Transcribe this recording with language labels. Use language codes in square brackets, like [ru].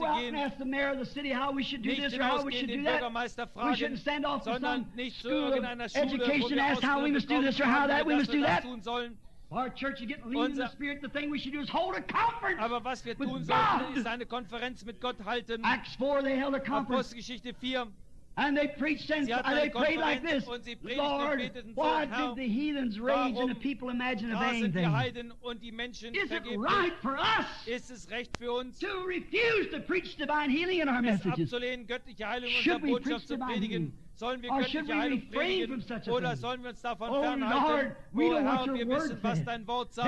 [en] Not go out and ask the mayor of the city how we should do this or how we should do that. [de] Fragen, [en] we shouldn't stand off to some school of education and ask how we must do this or how that we must do that. Our church is getting lean in the spirit. The thing we should do is hold a conference. [de] Aber was wir tun sollten, ist eine Konferenz mit Gott halten. [en] Acts 4, they held a conference. [de] Apostelgeschichte 4. [en] And they preached and they prayed like this. Lord, why did the heathens rage and the people imagine a vain thing? Is it right for us to refuse to preach divine healing in our messages? Should we preach divine healing? [de] Sollen wir göttliche Heilung predigen oder sollen wir uns davon fernhalten? Oh Herr, wir wissen, was dein Wort sagt.